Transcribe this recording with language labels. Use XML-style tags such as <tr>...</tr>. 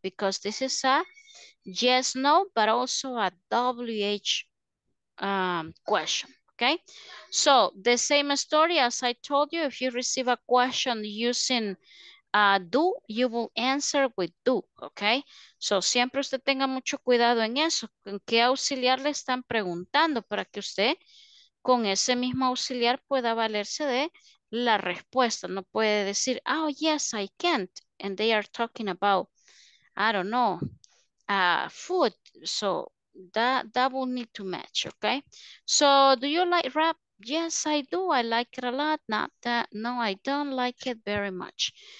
<en>Because this is a yes, no, but also a WH question, okay? So the same story as I told you, if you receive a question using do, you will answer with do, okay?</en> <es>So siempre usted tenga mucho cuidado en eso, en qué auxiliar le están preguntando para que usted con ese mismo auxiliar pueda valerse de la respuesta. No puede decir,</es> <en>oh, yes, I can't. And they are talking about, I don't know, food. So that will need to match, okay? So do you like rap? Yes, I do. I like it a lot. Not that. No, I don't like it very much.</en>